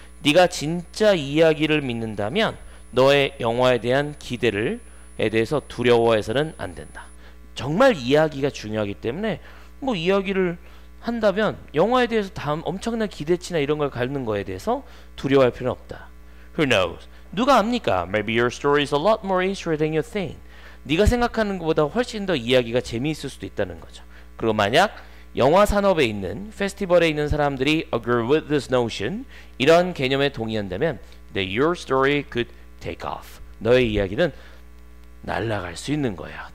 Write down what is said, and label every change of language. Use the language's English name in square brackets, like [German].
[Korean] 네가 진짜 이야기를 믿는다면 너의 영화에 대한 기대를 대해서 두려워해서는 안 된다. 정말 이야기가 중요하기 때문에 뭐 이야기를 한다면 영화에 대해서 다음 엄청난 기대치나 이런 걸 갖는 거에 대해서 두려워할 필요는 없다. [English] Who knows? [Korean] 누가 압니까? [English] Maybe your story is a lot more interesting than you think. [Korean] 네가 생각하는 것보다 훨씬 더 이야기가 재미있을 수도 있다는 거죠. 그리고 만약 영화 산업에 있는 페스티벌에 있는 사람들이 [English] agree with this notion [Korean] 이런 개념에 동의한다면 [English] that your story could take off. [Korean] 너의 이야기는 날아갈 수 있는 거야.